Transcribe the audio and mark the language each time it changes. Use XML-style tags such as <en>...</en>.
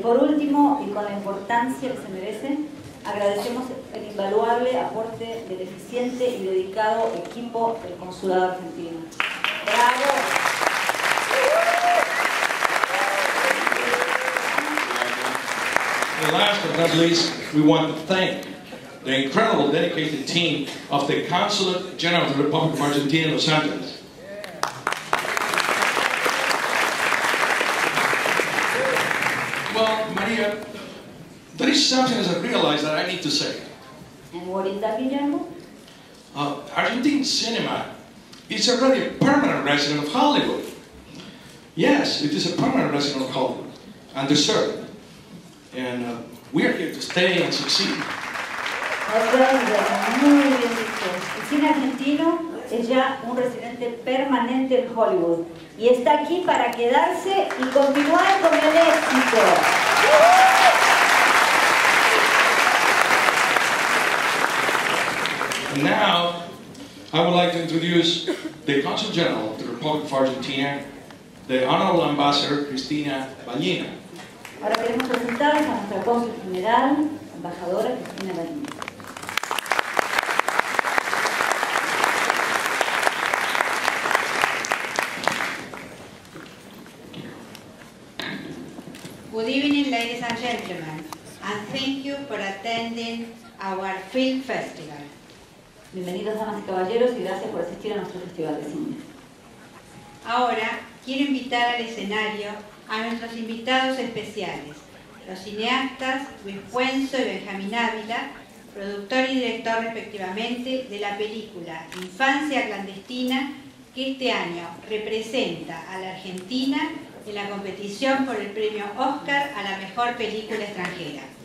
<es>Por último, y con la importancia que se merece, agradecemos el invaluable aporte del eficiente y dedicado equipo del Consulado Argentino. ¡Bravo!</es> <en>but not least, we want to thank the incredible dedicated team of the Consulate General of the Republic of Argentina, Los Angeles. Well, Maria, there is something that I realize that I need to say. And what is that, Guillermo? Argentine cinema is already a permanent resident of Hollywood. Yes, it is a permanent resident of Hollywood, and deserved. And we are here to stay and succeed.</en> <es>El cine argentino es ya un residente permanente en Hollywood y está aquí para quedarse y continuar con el éxito.</es> <en>Now, I would like to introduce the Consul General of the Republic of Argentina, the Honorable Ambassador Cristina Ballina.</en> <es>Ahora queremos presentar a nuestra Consul General, Embajadora Cristina Ballina.</es> <en>Good evening, ladies and gentlemen, and thank you for attending our film festival.</en> <es>Bienvenidos, damas y caballeros, y gracias por asistir a nuestro festival de cine. Ahora, quiero invitar al escenario a nuestros invitados especiales, los cineastas Luis Puenzo y Benjamín Ávila, productor y director respectivamente de la película Infancia Clandestina, que este año representa a la Argentina en la competición por el premio Oscar a la mejor película extranjera.</es>